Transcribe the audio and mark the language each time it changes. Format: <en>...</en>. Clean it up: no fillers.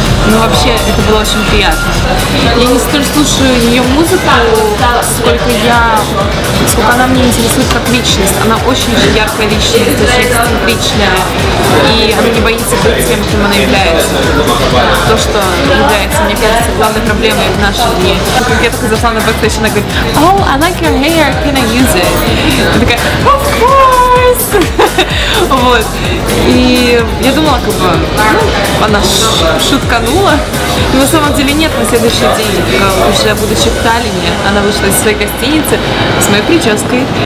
<ru>Ну, вообще, это было очень приятно. Я не столько слушаю ее музыку, сколько она меня интересует как личность. Она очень яркая личность, очень эксцентричная. И она не боится быть тем, кем она является. То, что является, мне кажется, главной проблемой в наши дни. Как я только зашла на бэкстейдж, она говорит:</ru> <en>«Oh, I like your hair, can I use it?»</en> <ru>Я такая:</ru> <en>«Of course!»</en> <ru>Вот. И я думала, как бы, она шутканула. Но на самом деле нет, на следующий день, уже будучи в Таллине, она вышла из своей гостиницы с моей прической.</ru>